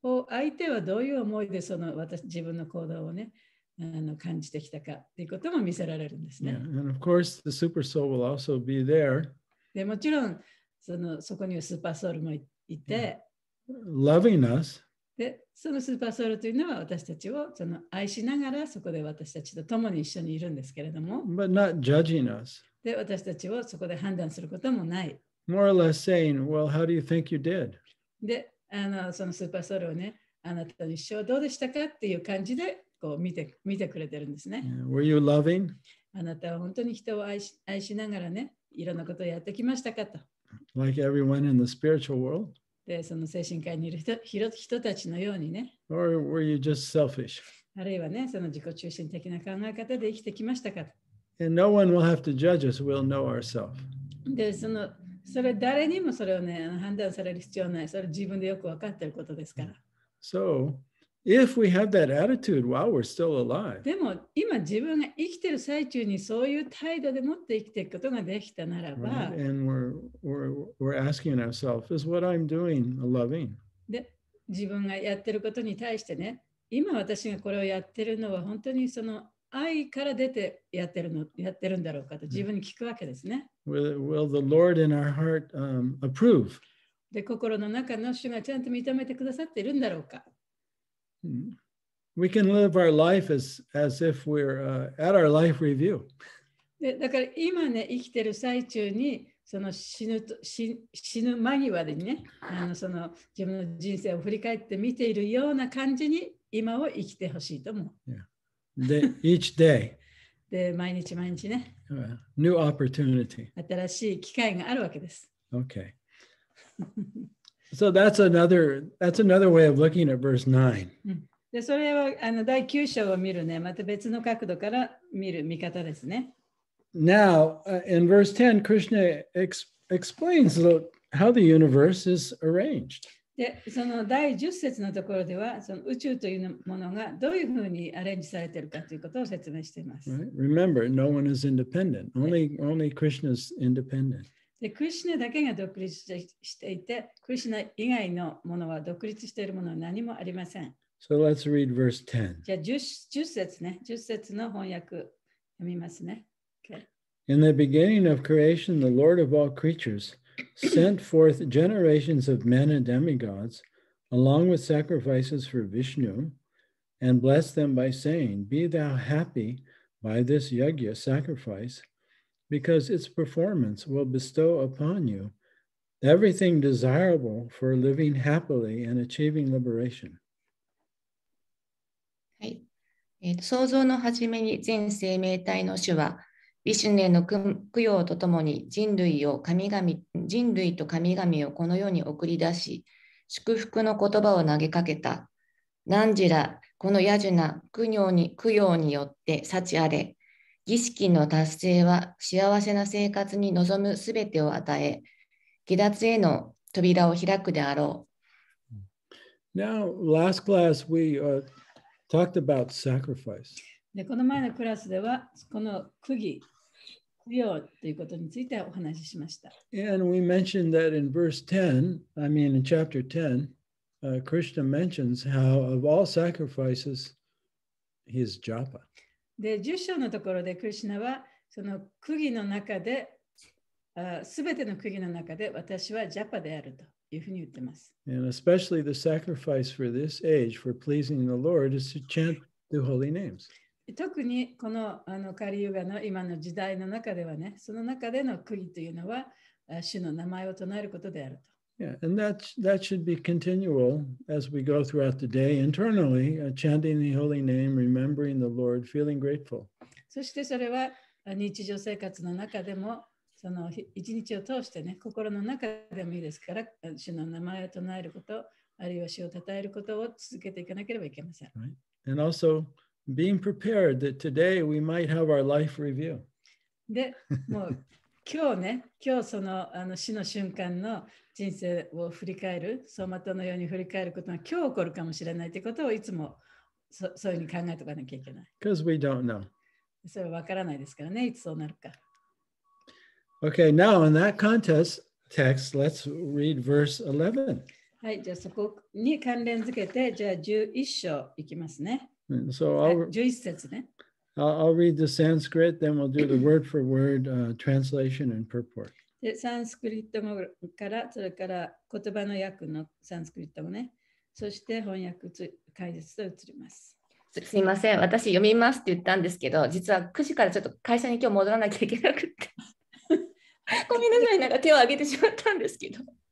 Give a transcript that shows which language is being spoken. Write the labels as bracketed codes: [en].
[ja] 相手はどういう思いでその私自分の行動をね感じてきたかということも見せられるんですね。 [en] Yeah. And of course, the super soul will also be there. [ja] でもちろんそこにはスーパーソウルもいて。 [en] Yeah. Loving us. [ja] でそのスーパーソウルというのは私たちをその愛しながらそこで私たちと共に一緒にいるんですけれども。 [en] But not judging us. [ja] で私たちをそこで判断することもない。 [en] More or less saying, well, how do you think you did? [ja] でそのスーパーソウルをね、あなたの一生どうでしたかっていう感じでこう見てくれてるんですね。 [en] Yeah. Were you loving? [ja] あなたは本当に人を愛しながらね、いろんなことをやってきましたかと。 [en] Like everyone in the spiritual world? [ja] でその精神界にいる 人たちのようにね。 [en] Or were you just selfish? [ja] あるいはね、その自己中心的な考え方で生きてきましたか。 [en] And no one will have to judge us, we'll know ourselves. [ja] で、それ誰にもそれをね、判断される必要ない。それ自分でよく分かってることですから。 [en] So, if we have that attitude while we're still alive. [ja] でも、今自分が生きてる最中にそういう態度でもって生きていくことができたならば。 [en] Right. And we're asking ourselves, is what I'm doing loving? [ja] で、自分がやってることに対してね、今私がこれをやってるのは本当にその愛から出てやってるんだろうかと自分に聞くわけですね。 [en] Will the Lord in our heart, approve? [ja] で、心の中の主がちゃんと認めてくださっているんだろうか。 [en] We can live our life as if we're at our life review. [ja] で、だから今ね、生きてる最中に、その死ぬ間際でね、その自分の人生を振り返って見ているような感じに今を生きてほしいと思う。 [en] Yeah. Each day. [ja] で、毎日毎日ね。 [en] New opportunity. [ja] 新しい機会があるわけです。 [en] Okay. So that's another way of looking at verse 9. [ja] で、それは、第9章を見るね、また別の角度から見る見方ですね。 [en] Now, in verse 10, Krishna explains how the universe is arranged. [ja] で、その第10節のところでは、その宇宙というものがどういうふうにアレンジされているかということを説明しています。 [en] Right? Remember, no one is independent. Only Krishna is independent. [ja] でクリシュナだけが独立していて、クリシュナ以外のものは独立しているものは何もありません。 [en] So let's read verse 10. [ja] じゃあ 10節ね、10節の翻訳読みますね。 [en] Okay. In the beginning of creation, the Lord of all creatures sent forth generations of men and demigods along with sacrifices for Vishnu and blessed them by saying, Be thou happy by this yajna sacrifice. Because its performance will bestow upon you everything desirable for living happily and achieving liberation. [ja] はい。創造の初めに全生命体の主は、ビシュヌへの供養とともに人類と神々をこの世に送り出し、祝福の言葉を投げかけた。なんじら、このヤジュナ、供養によって幸あれ。儀式の達成は幸せな生活に望むすべてを与え、解脱への扉を開くであろう。 [en] Now, last class, we talked about sacrifice. [ja] で、この前のクラスでは、この供養ということについてお話ししました。 [en] And we mentioned that in verse 10, I mean in chapter 10, Krishna mentions how of all sacrifices, he is japa. [ja] で10章のところでクリシュナはその釘の中で、全ての釘の中で私はジャパであるというふうに言ってます。 [en] And especially the sacrifice for this age for pleasing the Lord is to chant the holy names. [ja] 特にこの、カリユガの今の時代の中ではね、その中での釘というのは主の名前を唱えることであると。 [en] Yeah, and that should be continual as we go throughout the day internally, chanting the holy name, remembering the Lord, feeling grateful. [ja] そしてそれは日常生活の中でも、その一日を通してね、心の中でもいいですから、主の名前を唱えること、あるいは主を称えることを続けていかなければいけません。 [en] Right. And also being prepared that today we might have our life review. [ja] で、もう今日ね、今日その、死の瞬間の人生を振り返る、走馬灯のように振り返ることが今日起こるかもしれないということをいつも そういうふうに考えておかなきゃいけない。 [en] Because we don't know. [ja] それは分からないですからね、いつそうなるか。 [en] Okay, now in that context text, let's read verse 11. [ja] はい、じゃあそこに関連付けて、じゃあ11章いきますね。 [en] So、 [ja] 11節ね。 [en] I'll read the Sanskrit, then we'll do the word for word translation and purport. [ja] で、サンスクリットもから、それから言葉の訳のサンスクリットもね、そして翻訳解説と移ります。すいません、私読みますって言ったんですけど、実は9時からちょっと会社に今日戻らなきゃいけなくって。ごめんなさい、なんか手を挙げてしまったんですけど。